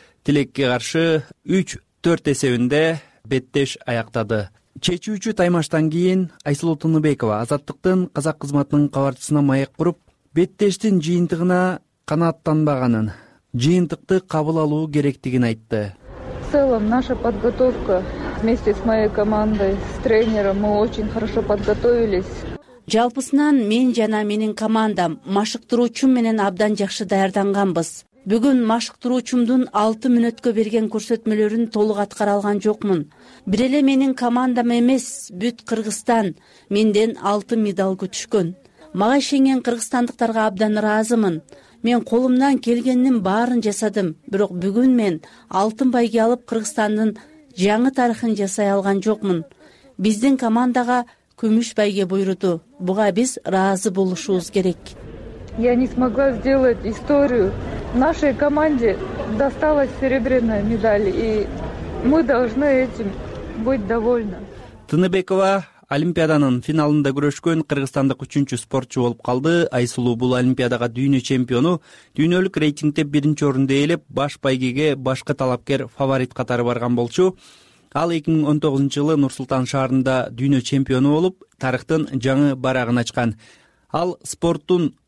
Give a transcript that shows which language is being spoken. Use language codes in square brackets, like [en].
[ky] Тилекке каршы 3-4 эсебинде беттеш аяктады. Чечүүчү таймаштан кийин Айсулуу Тыныбекова Азаттыктын казак кызматынын кабарчысына маек куруп, беттештин жыйынтыгына канааттанбаганын, жыйынтыкты кабыл алуу керектигин айтты. [ru] В целом наша подготовка вместе с моей командой, с тренером, мы очень хорошо подготовились. [ky] Жалпысынан мен жана менин командам машыктыруучум менен абдан жакшы даярданганбыз. Бүгүн машыктыруучумдун 6 мүнөткө берген көрсөтмөлөрүн толук аткара алган жокмун. Бир эле менин командам эмес, бүт Кыргызстан менден 6 медаль күтүшкөн. Мага ишенген кыргызстандыктарга абдан ыраазымын. Мен колумдан келгендин баарын жасадым, бирок бүгүн мен алтын байге алып Кыргызстандын жаңы тарыхын жасай алган жокмун. Биздин командага күмүш байге буйруду. Буга биз ыраазы болушубуз керек. [ru] Я не смогла сделать историю. Нашей команде досталась серебряная медаль, и мы должны этим быть довольны. [ky] Тыныбекова олимпиаданын финалында күрөшкөн кыргызстандык 3-чү спортчу болуп калды. Айсулуу бул олимпиадага дүйнө чемпиону, дүйнөлүк рейтингде 1-чү орунду ээлеп, баш байгеге башкы талапкер фаворит катары барган болчу. Ал 2019 жылы Нур-Султан шаарында дүйнө чемпиону болуп, тарыхтын жаңы барагын ачкан. Ал спорттун